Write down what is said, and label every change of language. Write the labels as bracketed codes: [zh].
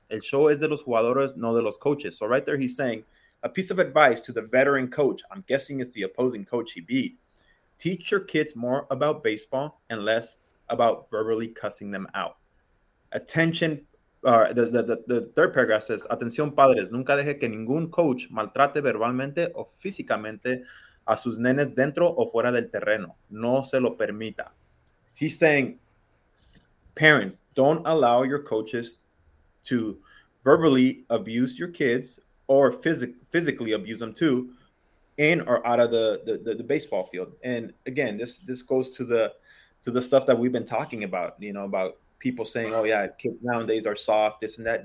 [es] El show es de los jugadores, no de los coaches. [en] So right there, he's saying a piece of advice to the veteran coach. I'm guessing it's the opposing coach he beat. Teach your kids more about baseball and less about verbally cussing them out. Attention. The third paragraph says, [es] atención padres, nunca deje que ningún coach maltrate verbalmente o físicamente a sus nenes dentro o fuera del terreno. No se lo permita. [en] He's saying, parents, don't allow your coaches to verbally abuse your kids or physically abuse them too, in or out of the baseball field. And again, this goes to the stuff that we've been talking about, you know, about people saying, oh yeah, kids nowadays are soft, this and that.